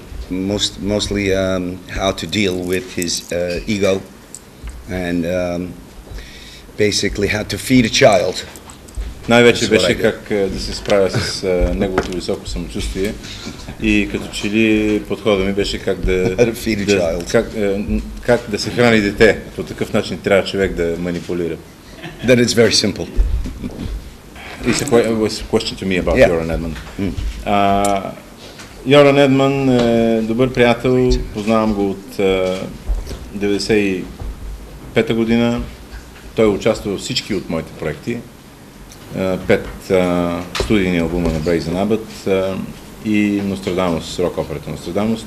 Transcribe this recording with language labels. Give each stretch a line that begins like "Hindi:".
English: Mostly how to deal with his ego and basically had to feed a child.
Bulgarian: Най-вече беше как да се справя с неговото високо самочувствие и като че ли подходът ми беше как да, как да се храни дете. По такъв начин трябва човек да манипулира.
English: That is very simple. It's a question to me about Yoran Edman.
Bulgarian: Йоран Едман е добър приятел, познавам го от 95-та година. Той участва във всички от моите проекти. Пет студийни албума на Brazen Abbott и Nostradamus, рок операта Nostradamus.